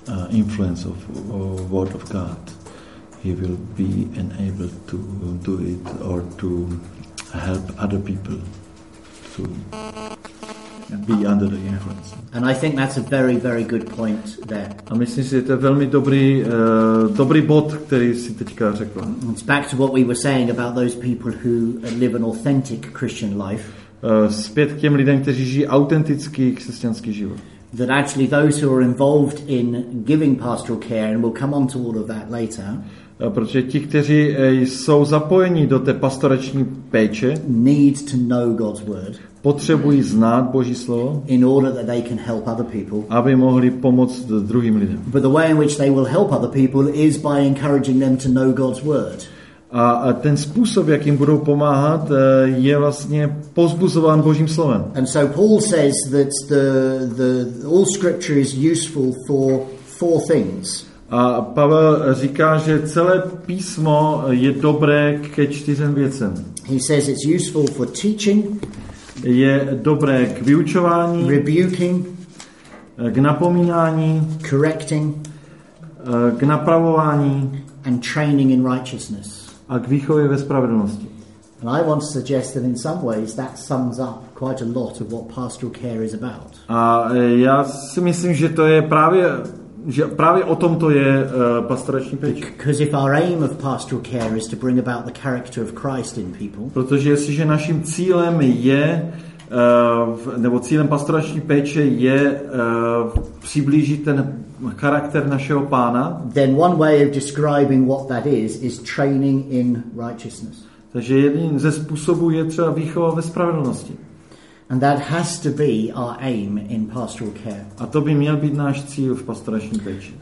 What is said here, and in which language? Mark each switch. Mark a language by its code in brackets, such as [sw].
[en] influence of Word of God, he will be enabled to do it or to help other people to be under the influence. And I think that's a very, very good point there. [cs] A myslím si, že to je velmi dobrý, dobrý bod, který si teďka řekl. [en] It's back to what we were saying about those people who live an authentic Christian life. [cs] Zpět k těm lidem, kteří žijí autentický křesťanský život. [en] That actually those who are involved in giving pastoral care, and we'll come on to all of that later. [cs] Protože ti, kteří jsou zapojeni do té pastorační péče, [en] need to know God's word. [cs] Potřebují znát Boží slovo, [en] in order that they can help other people. [cs] Aby mohli pomoct druhým lidem. [en] But the way in which they will help other people is by encouraging them to know God's word. [cs] A ten způsob, jak jim budou pomáhat, je vlastně pozbuzován Božím slovem. [en] And so Paul says that the all scripture is useful for four things. [cs] A Pavel říká, že celé písmo je dobré ke čtyřem věcem. [en] He says it's useful for teaching. [cs] Je dobré k vyučování. [en] Rebuking. [cs] K napomínání. [en] Correcting. [cs] K napravování. [en] And training in righteousness. [cs] A k výchově ve spravedlnosti. [en] And I want to suggest that in some ways that sums up quite a lot of what pastoral care is about. [cs] A já si myslím, že to je právě, že právě o tom to je pastorační péče. [en] Because if our aim of pastoral care is to bring about the character of Christ in people. [cs] Protože jestliže naším cílem je nebo cílem pastorační péče je přiblížit ten charakter našeho pána. [en] Then one way of describing what that is training in righteousness. [cs] Takže jedním ze způsobů je třeba výchova ve spravedlnosti. [en] And that has to be our aim in pastoral care. [cs] A to by měl být náš cíl v pastorační péči.